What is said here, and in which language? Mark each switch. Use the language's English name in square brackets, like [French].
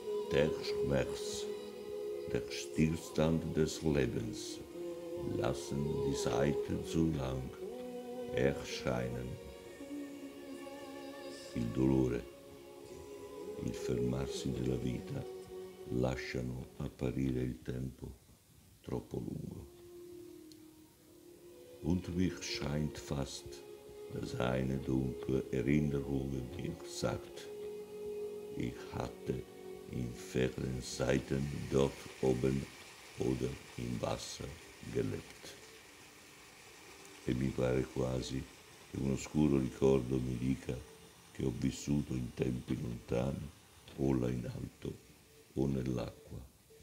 [German] Der Schmerz, der Stillstand des Lebens, lassen die Zeit zu lang erscheinen. [Italian] Il dolore, il fermarsi della vita, lasciano apparire il tempo troppo lungo. [German] Und mich scheint fast, dass eine dunkle Erinnerung mir sagt, ich hatte in fernen Zeiten dort oben oder im Wasser gelebt. [Italian] E mi pare quasi che un oscuro ricordo mi dica che ho vissuto in tempi lontani o là in alto o nell'acqua.